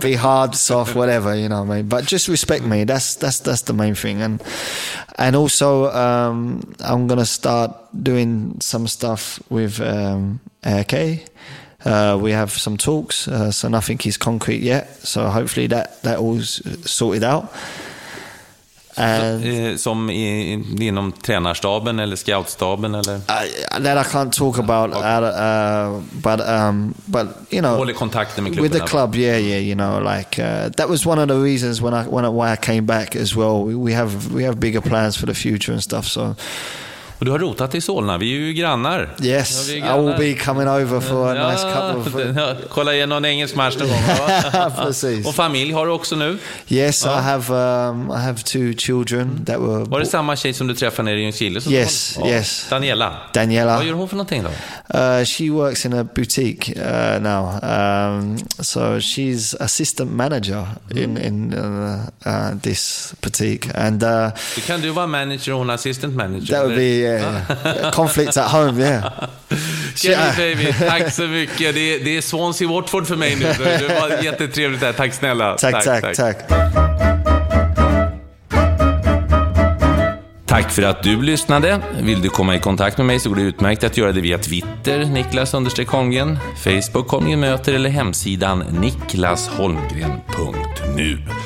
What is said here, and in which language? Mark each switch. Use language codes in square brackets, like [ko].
[en] Be hard, soft, whatever, you know what I mean? But just respect me. That's the main thing. And also, I'm going to start doing some stuff with AK. We have some talks, so nothing is concrete yet. So hopefully that all's sorted out. [sv] Som inom tränarstaben eller scoutstaben eller [en] that I can't talk about but you know, [sv] håller kontakten med klubben [en] with the club, yeah you know, like that was one of the reasons why I came back as well. We have bigger plans for the future and stuff, so. [sv] Och du har rotat i Solna. Vi är ju grannar. [en] Yes, [sv] ja, grannar. [en] I will be coming over for a nice couple of... [sv] Kolla igen någon engelsk match någon gång. Precis. Och familj har du också nu? [en] Yes, [sv] ja. [en] I have two children that were... [sv] Var det samma tjej som du träffade nere i Chile? [en] Yes. Daniela. [sv] Vad gör hon för någonting då? [en] She works in a boutique now. So she's assistant manager in this boutique. And, [sv] du kan du vara manager och hon [en] assistant manager? That would be conflicts at home, yeah. [sv] Kenny, baby, tack så mycket. Det är Swansea Watford för mig nu. Det var jättetrevligt där. Tack snälla. Tack. Tack för att du lyssnade. Vill du komma i kontakt med mig så går det utmärkt att göra det via Twitter, Niklas_Holmgren, Facebook, Holmgren-möter eller hemsidan niklasholmgren.nu.